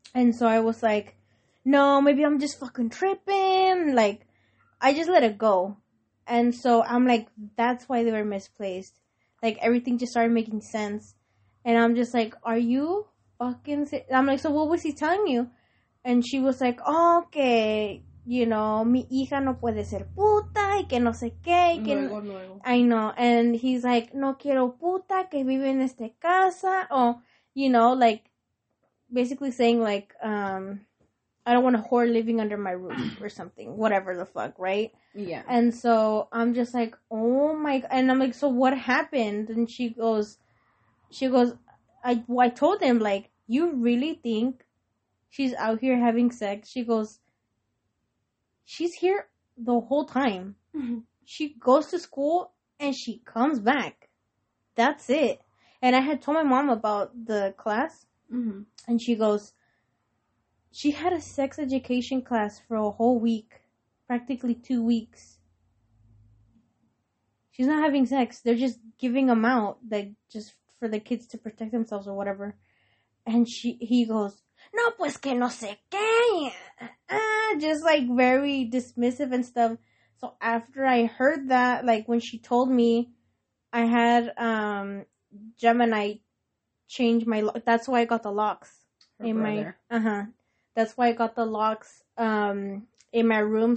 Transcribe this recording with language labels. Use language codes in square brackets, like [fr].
[en] And so I was like, no, maybe I'm just fucking tripping. Like, I just let it go. And so I'm like, that's why they were misplaced. Like, everything just started making sense. And I'm just like, are you fucking sick? I'm like, so what was he telling you? And she was like, oh, okay, you know, [es] mi hija no puede ser puta, y que no sé qué. Y que luego, no... luego. [en] I know. And he's like, [es] no quiero puta, que vive en esta casa. [en] Or, you know, like, basically saying, like, I don't want a whore living under my roof or something. Whatever the fuck, right? Yeah. And so I'm just like, oh my God. And I'm like, so what happened? And she goes, I told him, like, you really think she's out here having sex? She goes, she's here the whole time. She goes to school and she comes back. That's it. And I had told my mom about the class. Mm-hmm. And she goes, she had a sex education class for a whole week, practically 2 weeks. She's not having sex. They're just giving them out, like, just for the kids to protect themselves or whatever. And he goes, [es] no, pues que no sé qué. [en] Just, like, very dismissive and stuff. So after I heard that, like, when she told me, I had Gemini change my locks. That's why I got the locks. That's why I got the locks in my room.